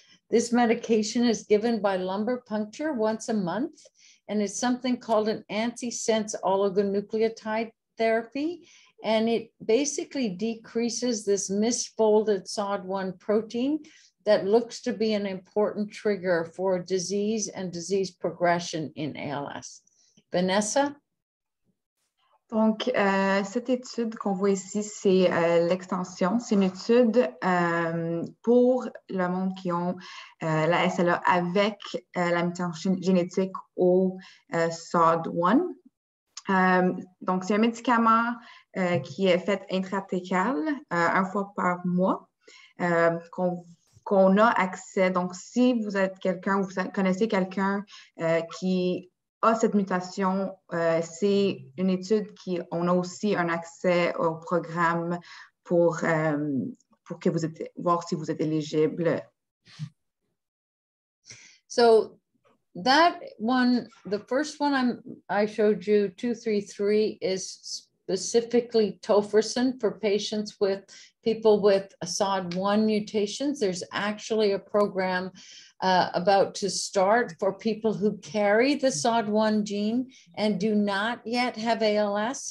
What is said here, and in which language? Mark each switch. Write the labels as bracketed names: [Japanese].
[English] This medication is given by lumbar puncture once a month, and it's something called an antisense oligonucleotide therapy. And it basically decreases this misfolded SOD1 protein that looks to be an important trigger for disease and disease progression in ALS. Vanessa? [French] Donc, cette étude qu'on voit ici, c'est l'extension. C'est une étude pour le monde qui ont la SLA avec la mutation génétique au SOD1. Donc, c'est un médicament qui est fait intrathécal une fois par mois qu'on a accès. Donc, si vous êtes quelqu'un, vous connaissez quelqu'un qui a cette mutation, c'est une étude qui, on a aussi un accès au programme pour que vous êtes, voir si vous êtes éligible. [English] So that one, the first one I showed you, 233, is specifically tofersen for patients with people with a SOD1 mutations. There's actually a program about to start for people who carry the SOD1 gene and do not yet have ALS.